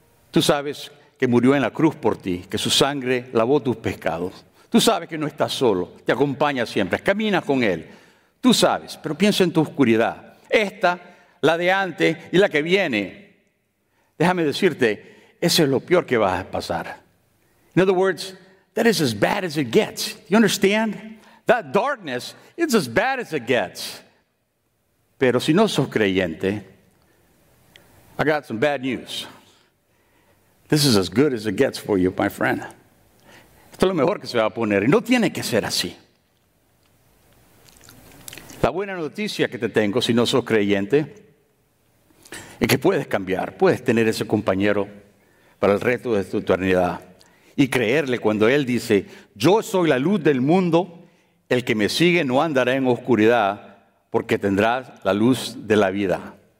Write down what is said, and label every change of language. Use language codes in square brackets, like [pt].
[es] Tú sabes que murió en la cruz por ti, que su sangre lavó tus pecados. Tú sabes que no estás solo, te acompaña siempre, caminas con Él. Tú sabes, pero piensa en tu oscuridad. Esta, la de antes y la que viene. Déjame decirte, eso es lo peor que vas a pasar. [en] In other words, that is as bad as it gets. You understand? That darkness, it's as bad as it gets. [es] Pero si no sos creyente, [en] I got some bad news. This is as good as it gets for you, my friend. [es] Esto es lo mejor que se va a poner. Y no tiene que ser así. La buena noticia que te tengo, si no sos creyente, es que puedes cambiar. Puedes tener ese compañero para el resto de tu eternidad. Y creerle cuando Él dice, yo soy la luz del mundo, el que me sigue no andará en oscuridad porque tendrá la luz de la vida.